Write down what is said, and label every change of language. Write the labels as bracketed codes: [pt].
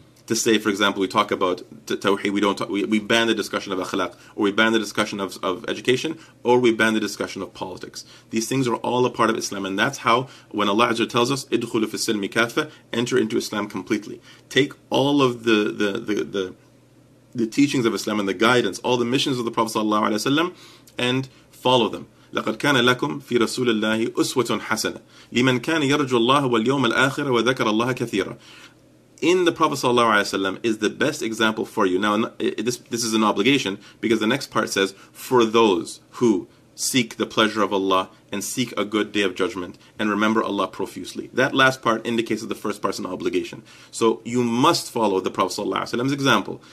[en] To say, for example, we talk about tawheed, we ban the discussion of akhlaq, or we ban the discussion of education, or we ban the discussion of politics. These things are all a part of Islam, and that's how, when Allah Azza tells us, [ar] idkhulu fi silmi kaffa, [en] enter into Islam completely. Take all of the teachings of Islam and the guidance, all the missions of the Prophet Sallallahu Alaihi Wasallam, and follow them. [ar] لقد كان لكم في رسول الله أسوة حسنة لمن كان يرجو الله واليوم الآخر وذكر الله كثيرا. [en] In the Prophet Sallallahu Alaihi Wasallam is the best example for you. Now, this is an obligation, because the next part says, for those who seek the pleasure of Allah and seek a good day of judgment and remember Allah profusely. That last part indicates that the first part is an obligation. So you must follow the Prophet Sallallahu Alaihi Wasallam's example.